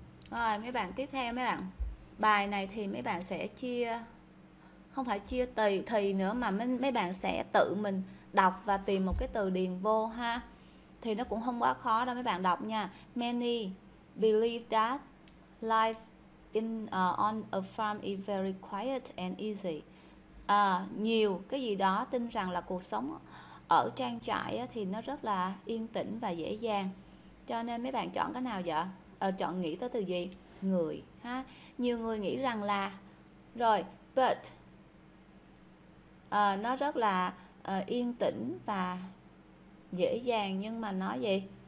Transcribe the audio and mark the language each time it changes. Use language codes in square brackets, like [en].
[vi] Rồi mấy bạn, tiếp theo mấy bạn. Bài này thì mấy bạn sẽ chia, không phải chia thì nữa, mà mấy bạn sẽ tự mình đọc và tìm một cái từ điền vô ha. Thì nó cũng không quá khó đâu mấy bạn đọc nha. [en] Many believe that life on a farm is very quiet and easy. [vi] Nhiều cái gì đó tin rằng là cuộc sống ở trang trại thì nó rất là yên tĩnh và dễ dàng. Cho nên mấy bạn chọn cái nào vậy? Chọn nghĩ tới từ gì? Người ha. Nhiều người nghĩ rằng là rồi, but nó rất là yên tĩnh và dễ dàng, nhưng mà nó gì?